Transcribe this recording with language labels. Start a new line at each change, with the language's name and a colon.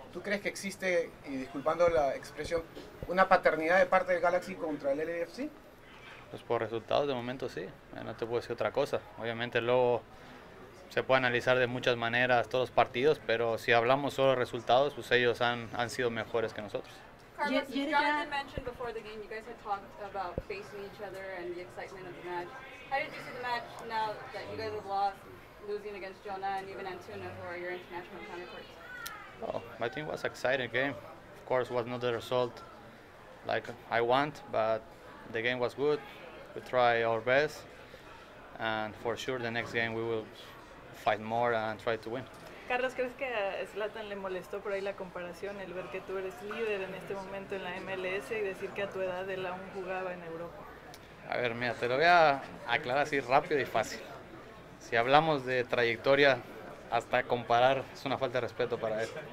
Spanish: ¿Tú crees que existe, y disculpando la expresión, una paternidad de parte del Galaxy contra el LAFC? Pues por resultados, de momento sí. No te puedo decir otra cosa. Obviamente luego se puede analizar de muchas maneras todos los partidos, pero si hablamos solo de resultados, pues ellos han sido mejores que nosotros.
English: Carlos, you guys had mentioned before the game, you guys had talked about facing each other and the excitement of the match. How did you see the match now that you guys have lost, losing against Jonah and even Antuna, who are your international counterparts? Oh, I think it was an exciting game. Of course, it was not the result like I want, but the game was good. We try our best, and for sure the next game we will fight more and try to win.
Spanish: Carlos, ¿crees que a Zlatan le molestó por ahí la comparación, el ver que tú eres líder en este momento en la MLS y decir que a tu edad él aún jugaba en Europa? A ver, mira, te lo voy a aclarar así rápido y fácil. Si hablamos de trayectoria, hasta comparar es una falta de respeto para él.